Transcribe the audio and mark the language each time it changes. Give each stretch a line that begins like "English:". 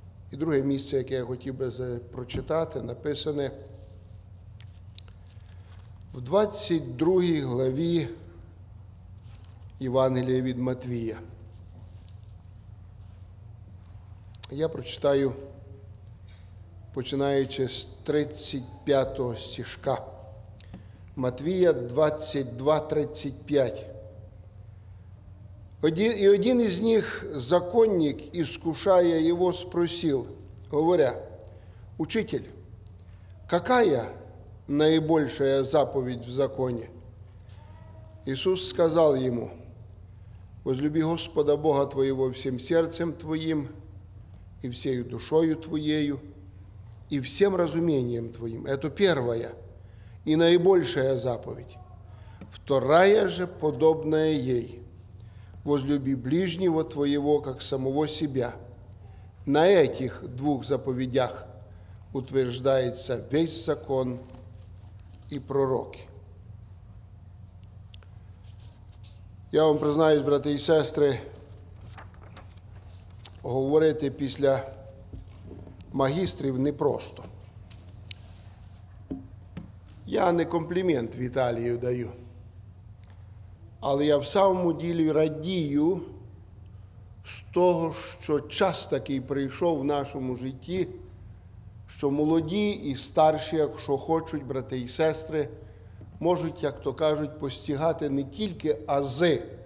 Russian: И другое место, которое я хотел бы прочитать, написано в 22 главе Евангелия от Матвея.
Ukrainian: Я прочитаю, починаючи з 35-го стишка, Матвія 22:35. І один із них, законник, іскушає його, спросив, говоря: «Учитель, какая найбільша заповідь в законі?» Ісус сказав йому: «Возлюби Господа Бога твоєго всім серцем твоїм,
Russian: и всею душою твоею, и всем разумением твоим». Это первая и наибольшая заповедь. Вторая же подобная ей: возлюби ближнего твоего, как самого себя. На этих двух заповедях утверждается весь закон и пророки. Я вам признаюсь, братья и сестры,
Ukrainian: говорити після магістрів непросто. Я не комплімент Віталію даю, але я в самому ділі радію з того, що час такий прийшов в нашому житті, що молоді і старші, якщо хочуть, брати і сестри, можуть, як то кажуть, постигати не тільки ази